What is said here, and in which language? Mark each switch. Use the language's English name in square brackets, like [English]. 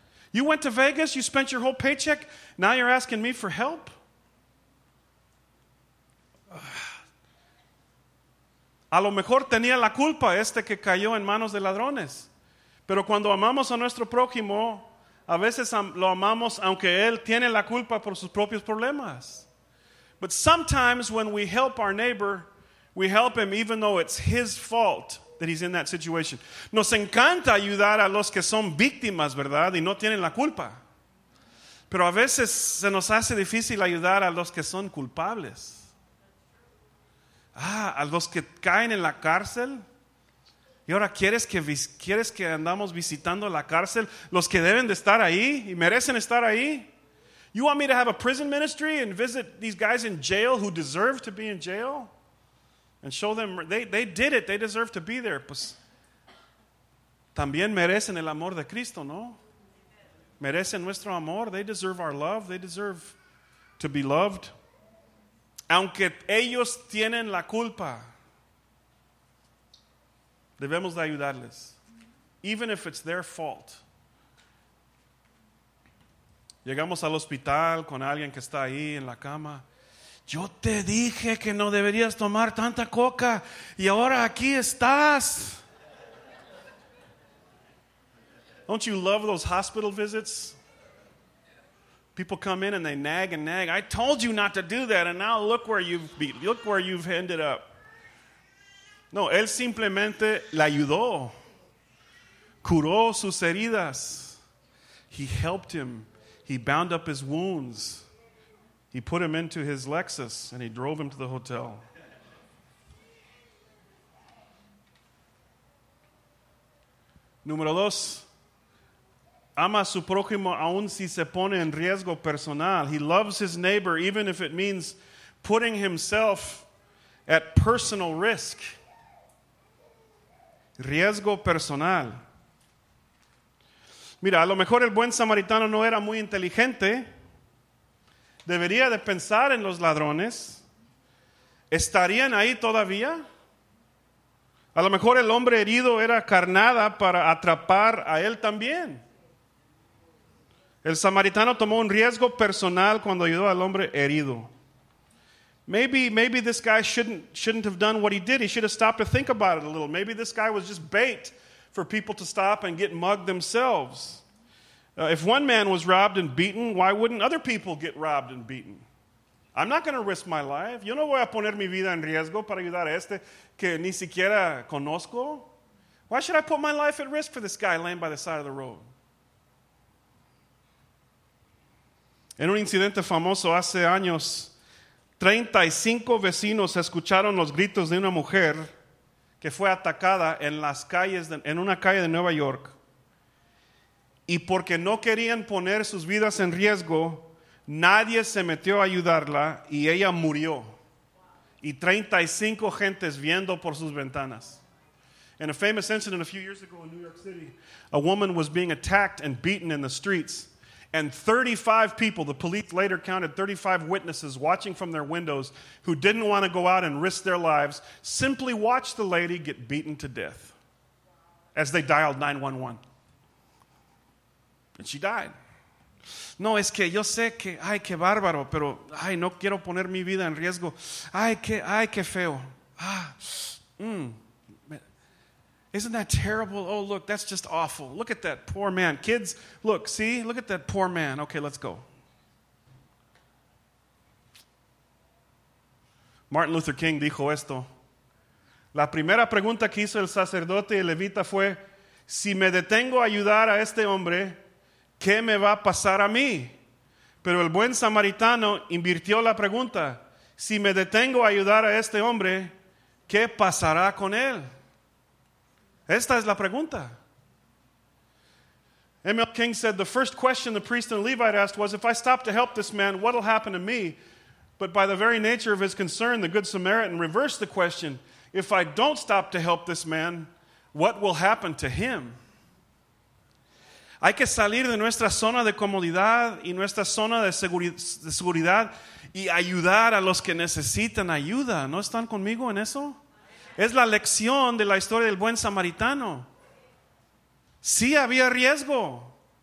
[English] You went to Vegas, you spent your whole paycheck, now you're asking me for help? [Spanish] A lo mejor tenía la culpa este que cayó en manos de ladrones. Pero cuando amamos a nuestro prójimo, a veces lo amamos aunque él tiene la culpa por sus propios problemas. [English] But sometimes when we help our neighbor, we help him even though it's his fault that he's in that situation. [Spanish] Nos encanta ayudar a los que son víctimas, ¿verdad? Y no tienen la culpa. Pero a veces se nos hace difícil ayudar a los que son culpables. Ah, a los que caen en la cárcel. Y ahora quieres que andamos visitando la cárcel, los que deben de estar ahí y merecen estar ahí. [English] You want me to have a prison ministry and visit these guys in jail who deserve to be in jail? And show them, they did it, they deserve to be there. [Spanish] Pues, también merecen el amor de Cristo, ¿no? Merecen nuestro amor, [English] they deserve our love, they deserve to be loved. [Spanish] Aunque ellos tienen la culpa, debemos de ayudarles. [English] Even if it's their fault. [Spanish] Llegamos al hospital con alguien que está ahí en la cama. Yo te dije que no deberías tomar tanta coca y ahora aquí estás. [English] Don't you love those hospital visits? People come in and they nag and nag. I told you not to do that and now look where you've ended up. [Spanish] No, él simplemente le ayudó. Curó sus heridas. [English] He helped him. He bound up his wounds. He put him into his Lexus and he drove him to the hotel. [Spanish] Número dos. Ama a su prójimo aun si se pone en riesgo personal. [English] He loves his neighbor even if it means putting himself at personal risk. [Spanish] Riesgo personal. Mira, a lo mejor el buen samaritano no era muy inteligente. Debería de pensar en los ladrones. ¿Estarían ahí todavía? A lo mejor el hombre herido era carnada para atrapar a él también. El samaritano tomó un riesgo personal cuando ayudó al hombre herido. [English] Maybe this guy shouldn't have done what he did. He should have stopped to think about it a little. Maybe this guy was just bait for people to stop and get mugged themselves. If one man was robbed and beaten, why wouldn't other people get robbed and beaten? I'm not going to risk my life. [Spanish] Yo no voy a poner mi vida en riesgo para ayudar a este que ni siquiera conozco. [English] Why should I put my life at risk for this guy laying by the side of the road? [Spanish] En un incidente famoso hace años, 35 vecinos escucharon los gritos de una mujer que fue atacada en las calles de, en una calle de Nueva York. Y porque no querían poner sus vidas en riesgo, nadie se metió a ayudarla y ella murió. Y 35 gentes viendo por sus ventanas. [English] In a famous incident a few years ago in New York City, a woman was being attacked and beaten in the streets. And 35 people, the police later counted 35 witnesses watching from their windows who didn't want to go out and risk their lives, simply watched the lady get beaten to death as they dialed 911. And she died. [Spanish] No, es que yo sé que, ay, qué bárbaro, pero, ay, no quiero poner mi vida en riesgo. Ay, qué feo. [English] Isn't that terrible? Oh, look, that's just awful. Look at that poor man. Kids, look, see? Look at that poor man. Okay, let's go. [Spanish] Martin Luther King dijo esto. La primera pregunta que hizo el sacerdote y el levita fue, si me detengo a ayudar a este hombre, ¿qué me va a pasar a mí? Pero el buen samaritano invirtió la pregunta, si me detengo a ayudar a este hombre, ¿qué pasará con él? Esta es la pregunta. [English] M.L. King said, the first question the priest and Levite asked was, if I stop to help this man, what'll happen to me? But by the very nature of his concern, the Good Samaritan reversed the question, if I don't stop to help this man, what will happen to him? [Spanish] Hay que salir de nuestra zona de comodidad y nuestra zona de seguridad y ayudar a los que necesitan ayuda. ¿No están conmigo en eso? Es la lección de la historia del buen samaritano. Sí había riesgo.